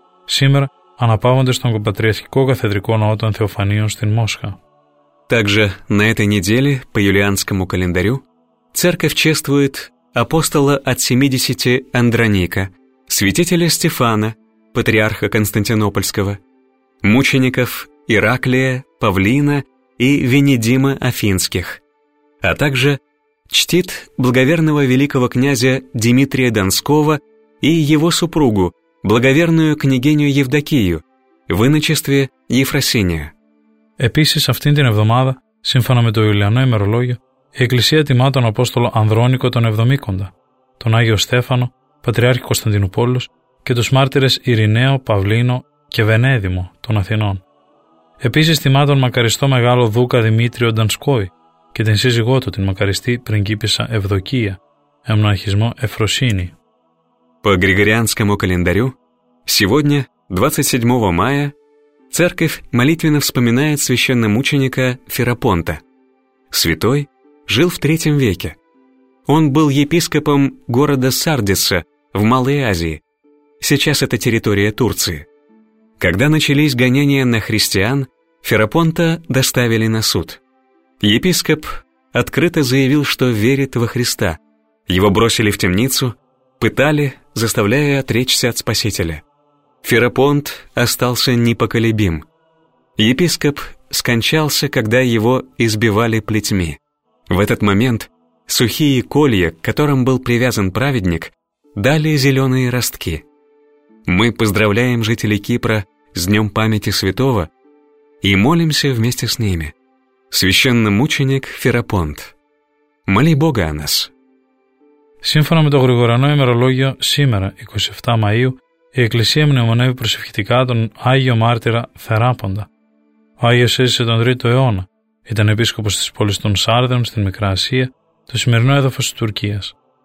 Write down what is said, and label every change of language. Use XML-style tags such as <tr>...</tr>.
<el>Σήμερα αναπαύονται στον Πατριαρχικό Καθεδρικό Ναό των Θεοφανίων στην Μόσχα.</el> <ru>Также на этой неделе по юлианскому календарю Церковь чествует апостола от 70 Андроника, святителя Стефана, патриарха Константинопольского, мучеников Ираклия, Павлина и Венедима Афинских, а также чтит благоверного великого князя Дмитрия Донского и его супругу, благоверную княгиню Евдокию, в иночестве Ефросиния.</ru> <el>Επίσης αυτήν την εβδομάδα, σύμφωνα με το Ιουλιανό ημερολόγιο, η Εκκλησία τιμά τον Απόστολο Ανδρόνικο τον Εβδομήκοντα, τον Άγιο Στέφανο, Πατριάρχη Κωνσταντινούπολης και τους μάρτυρες Ειρηναίο, Παυλίνο, και Βενέδημο των Αθηνών. Επίσης τιμά τον μακαριστό μεγάλο δούκα Δημήτριο Ντανσκόη και την σύζυγό του, την μακαριστή πριγκίπισσα Ευδοκία, εμνοαρχισμό Εφροσύνη.</el> <ru>По григорианскому календарю сегодня, 27 мая, церковь молитвенно вспоминает священномученика Ферапонта. Святой жил в III веке. Он был епископом города Сардиса в Малой Азии. Сейчас это территория Турции. Когда начались гонения на христиан, Ферапонта доставили на суд. Епископ открыто заявил, что верит во Христа. Его бросили в темницу, пытали, заставляя отречься от Спасителя. Ферапонт остался непоколебим. Епископ скончался, когда его избивали плетьми. В этот момент сухие колья, к которым был привязан праведник, дали зеленые ростки. Мы поздравляем жителей Кипра с Днем памяти святого и молимся вместе с ними. Священномученик Ферапонт, моли Бога о нас.</ru> <el>Σύμφωνα με το γρηγοριανό ημερολόγιο, σήμερα, 27 Μαΐου, η Εκκλησία μνημονεύει προσευχητικά τον Άγιο Μάρτυρα Θεράπαντα. Ο Άγιος έζησε τον 3ο αιώνα, ήταν επίσκοπος της πόλης των Σάρδων στην Μικρά Ασία, το σημερινό έδαφος της Τουρκίας.</el>